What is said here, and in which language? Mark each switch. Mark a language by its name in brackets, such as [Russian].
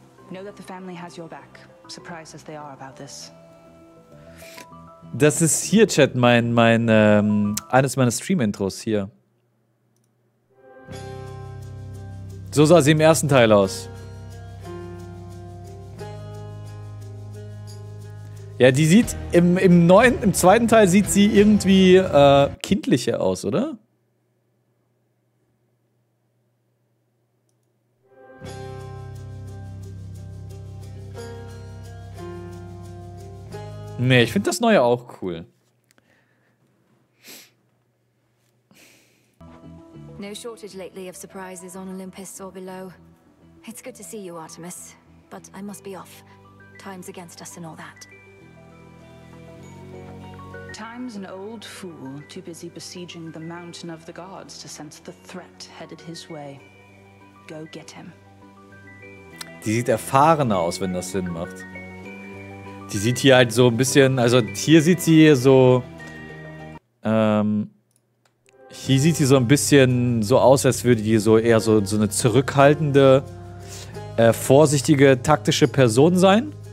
[English] Know that the family has your back, surprised as they are about this. [German] Das ist hier, Chat, eines meiner Stream-Intros hier. So sah sie im ersten Teil aus. Ja, die sieht im zweiten Teil sieht sie irgendwie kindlicher aus, oder? Nee, ich finde das Neue auch cool. [English] No shortage lately of surprises on Olympus or below. It's good to see you, Artemis. But I must be off. Time's against us and all that. Time's an old fool, too busy besieging the Mountain of the Gods to sense the threat headed his way. Go get him. [German] Die sieht erfahrener aus, wenn das Sinn macht. Die sieht hier halt so ein bisschen, also hier sieht sie hier so, hier sieht sie so ein bisschen so aus, als würde die so eher so eine zurückhaltende, vorsichtige, taktische Person sein.